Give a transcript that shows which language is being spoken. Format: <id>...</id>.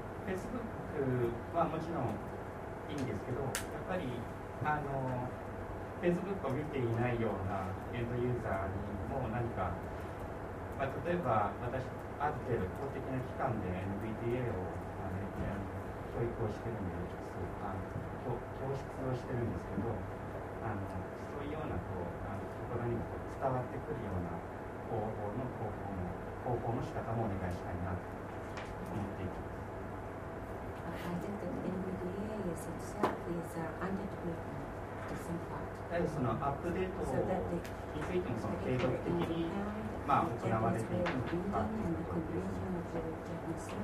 <ja>Facebook はもちろんいいんですけど、やっぱりあの Facebook を見ていないようなエンドユーザーにも何か、まあ、例えば私ある程度公的な機関で NVDA を教育をしてるんで、あの 教室をしてるんですけど、あのそういうようなこうあのところにも伝わってくるような方法の広報の方法の仕方もお願いしたいなと思っています。</ja> <en>I think that NVDA is itself is under development to some part.</en> <ja>そのアップデートについてもその継続的に、まあ、行われているのかということですね。</ja>